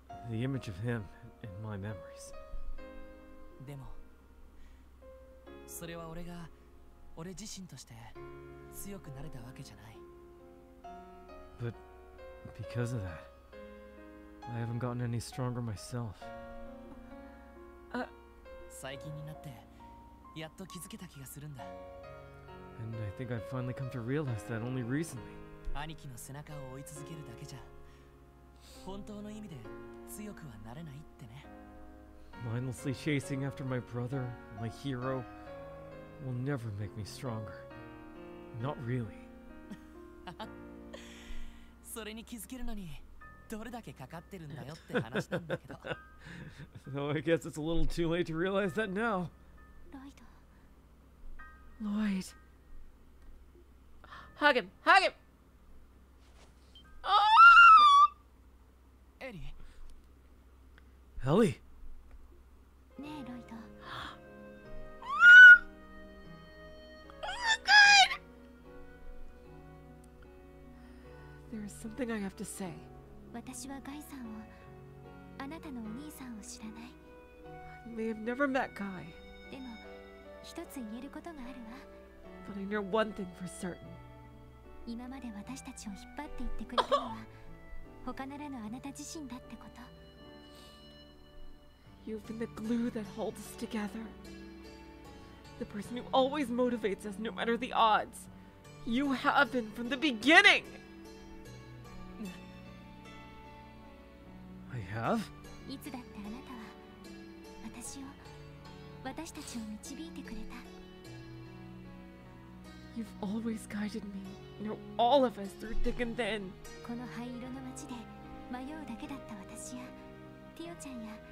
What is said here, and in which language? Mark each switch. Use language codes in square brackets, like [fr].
[en] The image of him in my memories. [ja] でも、それは俺が俺自身として強くなれたわけじゃない。 [en] But because of that, I haven't gotten any stronger myself. [ja] 最近になってやっと気づけた気がするんだ。 [en] And I think I've finally come to realize that only recently. [ja] 兄貴の背中を追い続けるだけじゃ、本当の意味で強くはなれないってね。 [en] Mindlessly chasing after my brother, my hero, will never make me stronger. Not really. [ja] それに気づけるのにどれだけかかってるんだよって話なんだけど。 [en] So I guess it's a little too late to realize that now. Lloyd. Lloyd. Hug him. Hug him. Oh! Ellie. Ellie. [ja] ねえ、ロイド。 [en] God! There is something I have to say. [ja] 私はガイさんを、あなたのお兄さんを知らない。 [en] I may have never met Guy. [ja] でも、一つ言えることがあるわ。 [en] But I know one thing for certain. [ja] 今まで私たちを引っ張って行ってくれたのは、他ならぬあなた自身だってこと。 [en] You've been the glue that holds us together. The person who always motivates us no matter the odds. You have been from the beginning! I have? [ja] いつだってあなたは私を、私たちを導いてくれた。 [en] You've always guided me, you know, all of us through thick and thin. [ja] この灰色の街で迷うだけだった私や、ティオちゃんや、